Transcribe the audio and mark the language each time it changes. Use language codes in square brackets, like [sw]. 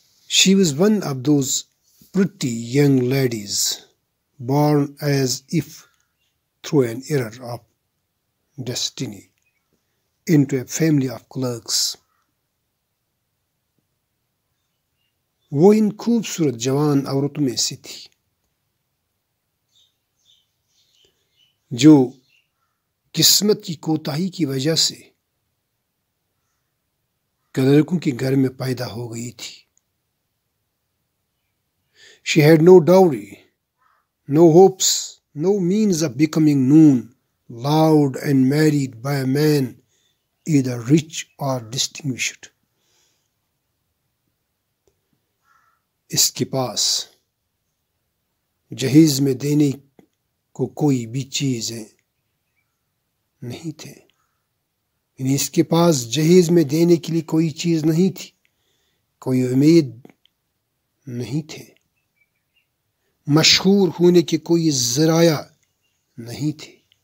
[en] She was one of those pretty young ladies born as if through an error of destiny into a family of clerks. [ur] وہ ان خوبصورت جوان عورتوں میں سے تھی جو قسمت کی کوتاہی کی وجہ سے کلرکوں کے گھر میں پیدا ہو گئی تھی. [en] She had no dowry, no hopes, no means of becoming known, loved and married by a man either rich or distinguished. [ur] اس کے پاس جہیز میں دینے کو کوئی بھی چیزیں نہیں تھے. یعنی اس کے پاس جہیز میں دینے کے لیے کوئی چیز نہیں تھی, کوئی امید نہیں تھے, مشہور ہونے کے کوئی ذرائع نہیں تھے.